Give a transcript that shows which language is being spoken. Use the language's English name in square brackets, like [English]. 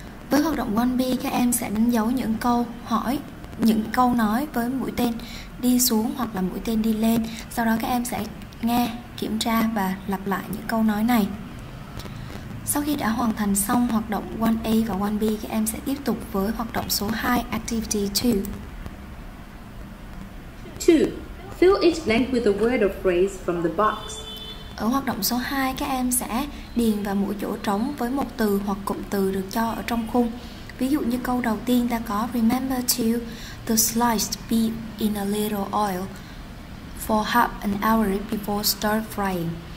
[Vietnamese] Với hoạt động 1B, các em sẽ đánh dấu những câu hỏi, những câu nói với mũi tên đi xuống hoặc là mũi tên đi lên. Sau đó các em sẽ nghe, kiểm tra và lặp lại những câu nói này. Sau khi đã hoàn thành xong hoạt động 1A và 1B, các em sẽ tiếp tục với hoạt động số 2, activity 2. [English] 2. Fill each blank with a word or phrase from the box. [Vietnamese] Ở hoạt động số 2, các em sẽ điền vào mỗi chỗ trống với một từ hoặc cụm từ được cho ở trong khung. Ví dụ như câu đầu tiên ta có [English] remember to slice beef in a little oil for half an hour before stir frying.